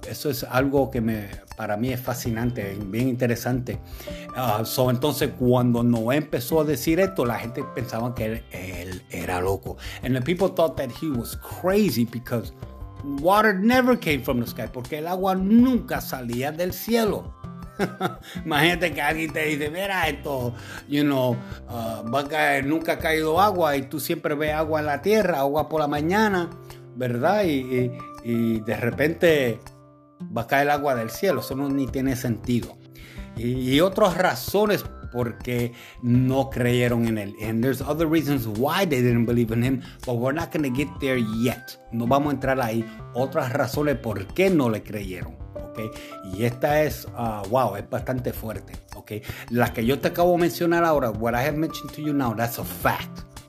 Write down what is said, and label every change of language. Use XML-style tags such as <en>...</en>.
<es>Eso es algo que para mí es fascinante, bien interesante. So entonces cuando Noé empezó a decir esto, la gente pensaba que él era loco.</es> <en>And the people thought that he was crazy because water never came from the sky.</en> <es>Porque el agua nunca salía del cielo. Imagínate que alguien te dice, mira esto, you know, va a caer, nunca ha caído agua y tú siempre ves agua en la tierra, agua por la mañana, ¿verdad? Y de repente va a caer agua del cielo, eso no ni tiene sentido. Y otras razones porque no creyeron en él.</es> <en>And there's other reasons why they didn't believe in him, but we're not going to get there yet.</en> <es>No vamos a entrar ahí. Otras razones por qué no le creyeron. Okay. Y esta es, wow, es bastante fuerte.</es> <en>Okay. La que yo te acabo de mencionar ahora, what I have mentioned to you now, that's a fact.</en>